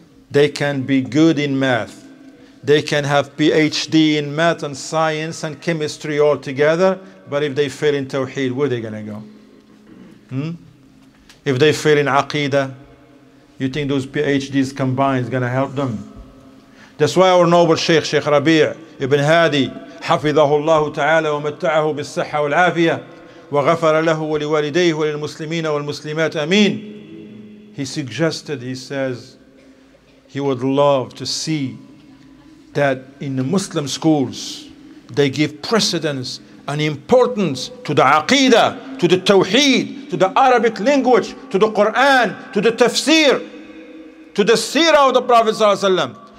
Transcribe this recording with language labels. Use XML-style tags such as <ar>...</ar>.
<en>They can be good in math. They can have PhD in math and science and chemistry all together, but if they fail in Tawheed, where are they going to go? If they fail in Aqeedah, You think those PhDs combined is going to help them? That's why our noble Shaykh,</en> <ar>Shaykh Rabi' ibn Hadi, حفظه الله تعالى ومتعه بالصحة والعافية وغفر له ولوالديه وللمسلمين والمسلمات أمين.</ar> <en>He suggested, he says, he would love to see that in the Muslim schools they give precedence and importance to the Aqidah, to the Tawheed, to the Arabic language, to the Quran, to the Tafsir, to the Seerah of the Prophet ﷺ.</en>